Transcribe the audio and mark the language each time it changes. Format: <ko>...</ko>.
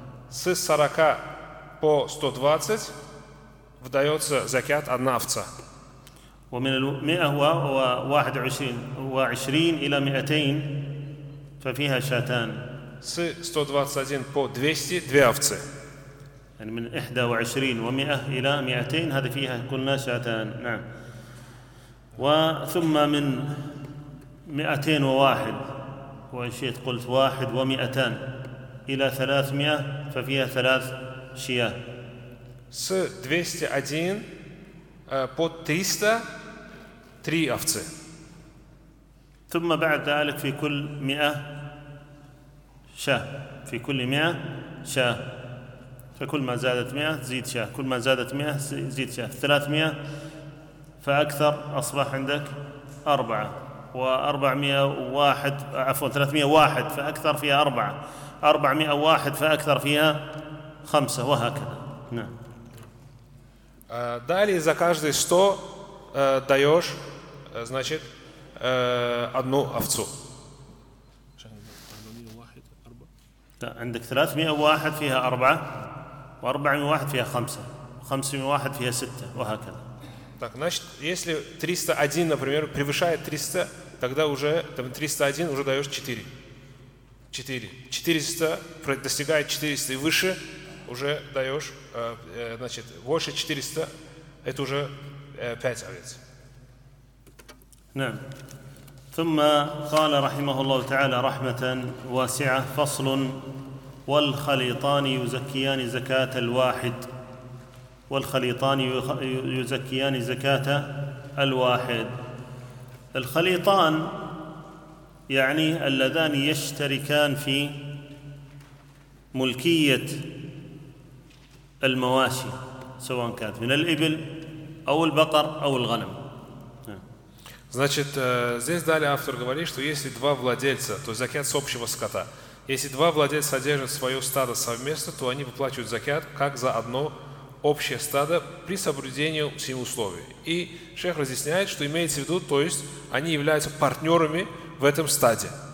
<ru>С 40 по 120 вдается закят одна овца.</ru> <ar>ومن المئة وواحد وعشرين وعشرين إلى مئتين ففيها شاتان.</ar> <ru>С 121 по 200 две овцы.</ru> <ar>يعني من 21 ومئة إلى 200 هذه فيها كلنا شاتان. نعم. وثم من 201 وشيت قلت واحد ومئتان إلى 300 ففيها ثلاث شياه.</ar> <ru>С 201 по 300 три овцы.</ru> <ar>ثم بعد ذلك في كل 100 شاه, في كل 100 شاه, فكل ما زادت 100 زيد شاه, كل ما زادت 100 زيد شاه, 300 فأكثر أصبح عندك 4, و 401 عفوا 301 فأكثر فيها 4, 401 فأكثر فيها 5, وهكذا. نعم.</ar> <ru>Далее за каждые 100 даёшь, значит, одну овцу.</ru> <ar>عندك 301 فيها 4 و 401 فيها 5 و 501 فيها 6 وهكذا.</ar> <ru>Так, значит, если 301, например, превышает 300, тогда уже там 301 уже даёшь 4. 4. 400 достигает 400 и выше, уже даёшь, значит, больше 400 это уже 5 овец.</ru> <ar>نعم. ثم قال رحمه الله تعالى رحمة واسعة: فصل. والخليطان يزكيان زكاة الواحد. والخليطان يزكيان زكاة الواحد. الخليطان يعني اللذان يشتركان في ملكية المواشي، سواء كانت من الإبل أو البقر أو الغنم.</ar> <ru>Значит, здесь далее автор говорит, что если два владельца, то закят с общего скота. Если два владельца содержат свое стадо совместно, то они выплачивают закят как за одно общее стадо при соблюдении всех условий. И шейх разъясняет, что имеется в виду, то есть они являются партнерами в этом стаде.</ru>